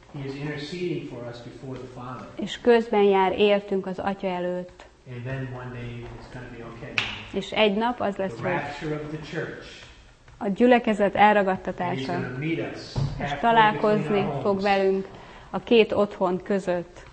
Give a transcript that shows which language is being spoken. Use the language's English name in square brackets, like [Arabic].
[English] He is interceding for us before the Father. [Hungarian] És közben jár értünk az Atya előtt. [English] And then one day it's gonna be okay. [Hungarian] És egy nap az lesz, [English] the rapture of the church. [Hungarian] A gyülekezet elragadtatása. [English] And he's gonna meet us. [Hungarian] És találkozni fog velünk a két otthon között.